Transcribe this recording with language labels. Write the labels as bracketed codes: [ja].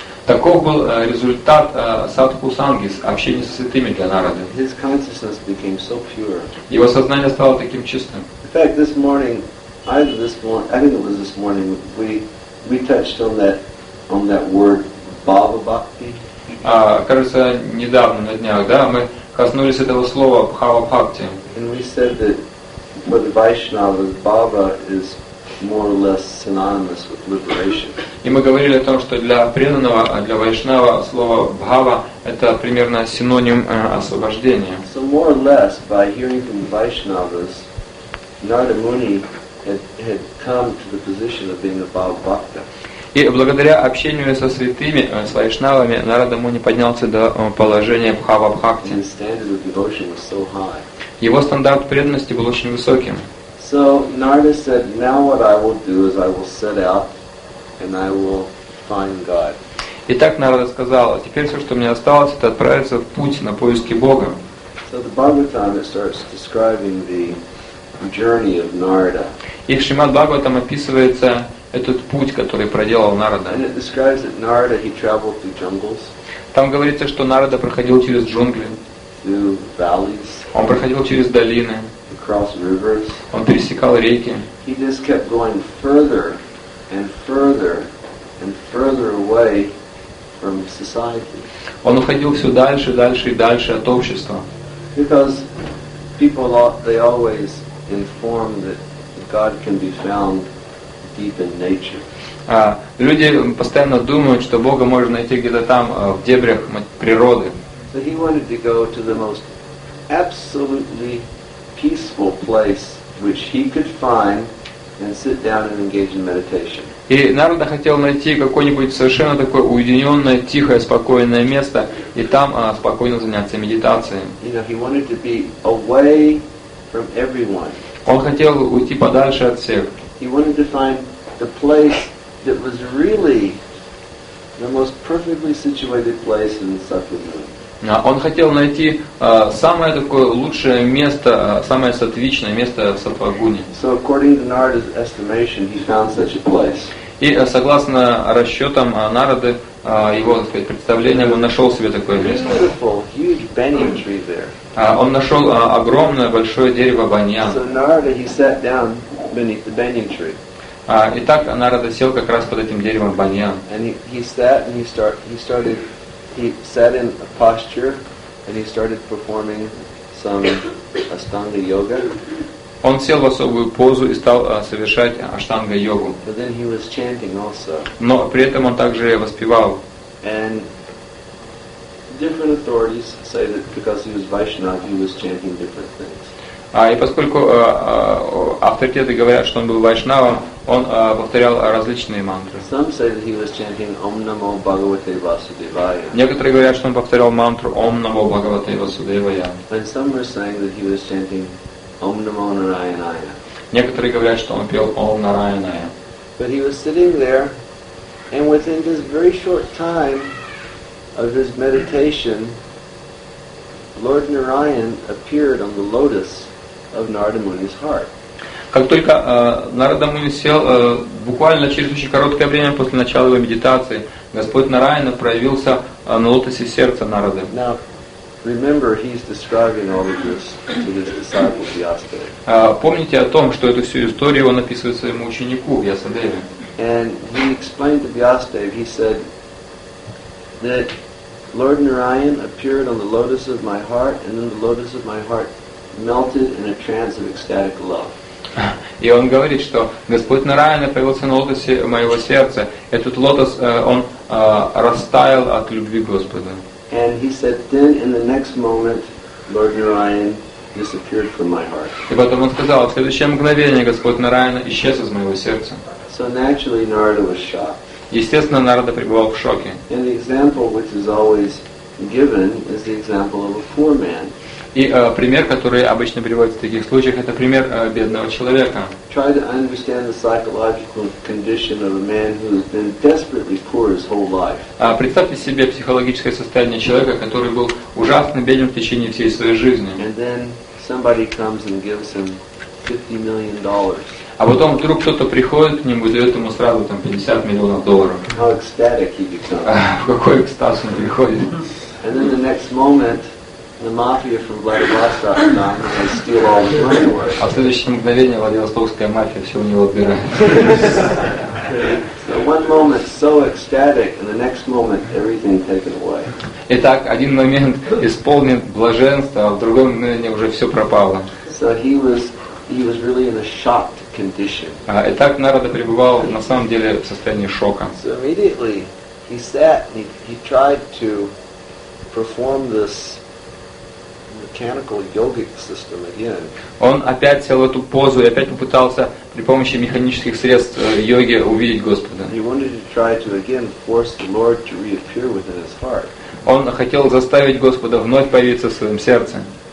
[ru] Таков был результат садху санги, общения со святыми для Нарады. [en] His consciousness became so pure. [ru] Его сознание стало таким чистым. [en] In fact, this morning, either this morning, I think it was this morning, we touched on that word bhava bhakti. [ru] Кажется, недавно на днях, да, мы коснулись этого слова бхава бхакти. [en] And we said that for the Vaishnavas, bhava is more or less synonymous with liberation. [ru] И мы говорили о том, что для преданного, для вайшнава слово бхава это примерно синоним освобождения. [en] So more or less, by hearing from the Vaishnavas, Narada Muni had come to the position of being a bhava bhakta. [ru] И благодаря общению со святыми, с вайшнавами, Нарада Муни поднялся до положения бхава бхакти. [en] His standard of devotion was so high. [ru] Его стандарт преданности был очень высоким. [en] So Narada said, now what I will do is I will set out and I will find God. [ru] Итак, Нарада сказал, теперь все, что мне осталось, это отправиться в путь на поиски Бога. [en] So the Bhagavatam starts describing the journey of Narada. [ru] И в Шримад Бхагаватам описывается этот путь, который проделал Нарада. [en] And it describes that Narada, he traveled through jungles. [ru] Там говорится, что Нарада проходил через джунгли. [en] Through valleys, [ru] он проходил через долины, [en] across rivers. [ru] Он пересекал реки. [en] He just kept going further and further and further away from society. [ru] Он уходил все дальше, дальше и дальше от общества. [en] Because people, they always inform that God can be found deep in nature. [ru] Люди постоянно думают, что Бога можно найти где-то там, в дебрях природы. [en] So he wanted to go to the most absolutely peaceful place which he could find and sit down and engage in meditation. [ru] И Нарада хотел найти какое-нибудь совершенно такое уединенное, тихое, спокойное место и там спокойно заняться медитацией. [en] You know, he wanted to be away from everyone. [ru] Он хотел уйти подальше от всех. [en] He wanted to find the place that was really the most perfectly situated place in the Sakhalin. [ru] Он хотел найти самое такое лучшее место, самое сатвичное место в Сатвагуне. [en] So according to Narada's estimation, he found such a place. [ru] И согласно расчетам Нарады, его, так сказать, представлениям, он нашел себе такое место. [en] Beautiful, huge banyan tree there. [ru] Он нашел огромное большое дерево баньян. [en] So Narada, he sat down beneath the banyan tree. [ru] Итак, Нарада сел как раз под этим деревом баньян. [en] And he sat and he started. He sat in a posture, and he started performing some Ashtanga yoga. [ru] Он сел в особую позу и стал совершать Ashtanga йогу. [en] But then he was chanting also. [ru] Но при этом он также воспевал. [en] And different authorities say that because he was Vaishnava, he was chanting different things. [ru] И поскольку авторитеты говорят, что он был вайшнавом, он повторял различные мантры. [en] Some say that he was chanting Om Namo Bhagavate Vasudevaya. [ru] Некоторые говорят, что он повторял мантру Om Namo Bhagavate Vasudevaya. [en] And some are saying that he was chanting Om Namo Narayanaya. [ru] Некоторые говорят, что он пел Om Narayanaya. [en] But he was sitting there, and within this very short time of his meditation, Lord Narayan appeared on the lotus of Narada Muni's heart. [ru] Как только Нарада Муни сел, буквально через очень короткое время после начала его медитации, Господь Нараяна проявился на лотосе сердца Нарады. [en] Now, remember, he's describing all of this to his disciple Vyasadeva. [ru] Помните о том, что эту всю историю он описывает своему ученику Вьясадеве. [en] And he explained to Vyasadeva, he said that Lord Narayan appeared on the lotus of my heart, and then the lotus of my heart melted in a trance of ecstatic love. [ru] И он говорит, что Господь Нараяна появился на лотосе моего сердца. Этот лотос, он растаял от любви Господа. [en] And he said, then in the next moment, Lord Narayan disappeared from my heart. [ru] И потом он сказал, в следующее мгновение Господь Нараяна исчез из моего сердца. [en] So naturally, Narada was shocked. [ru] Естественно, Нарада пребывал в шоке. [en] And the example which is always given is the example of a poor man. [ru] И пример, который обычно приводится в таких случаях, это пример бедного человека. [en] Try to understand the psychological condition of a man who has been desperately poor his whole life. [ru] Представьте себе психологическое состояние человека, который был ужасно беден в течение всей своей жизни. [en] And then somebody comes and gives him $50 million. [ru] А потом вдруг кто-то приходит к нему и дает ему сразу там, [en] $50 million. [ru] В какой экстаз он приходит. [en] And then the next moment, the mafia from Vladivostok comes and steal all his money. [ru] А в следующее мгновение Владивостокская мафия все у него отбирает. [en] So one moment so ecstatic, and the next moment everything taken away. [ru] Итак, один момент исполнен блаженства, а в другом мгновении уже все пропало. [en] So he was really in a shock. [ru] Итак, Нарада пребывал на самом деле в состоянии шока. [en] So immediately he sat and he tried to perform this mechanical yogic system again. [ru] Он опять сел в эту позу и опять попытался при помощи механических средств йоги увидеть Господа. [en] He wanted to try to again force the Lord to reappear within his heart. [ru] Он хотел заставить Господа вновь появиться в своем сердце.